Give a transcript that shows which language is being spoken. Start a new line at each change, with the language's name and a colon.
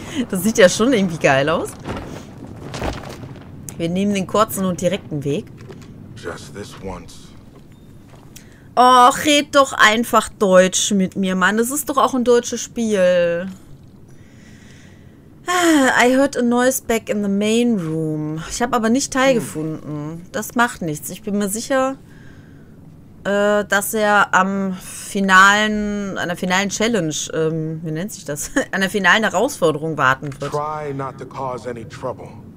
German: das sieht ja schon irgendwie geil aus. Wir nehmen den kurzen und direkten Weg.
English: Just this once.
German: Och, red doch einfach Deutsch mit mir, Mann. Es ist doch auch ein deutsches Spiel.
English: I heard a noise back in the main room.
German: Ich habe aber nicht Teil gefunden. Das macht nichts. Ich bin mir sicher, dass er am finalen, an der finalen Challenge, wie nennt sich das? An der finalen Herausforderung warten wird.
English: Try not to cause any trouble.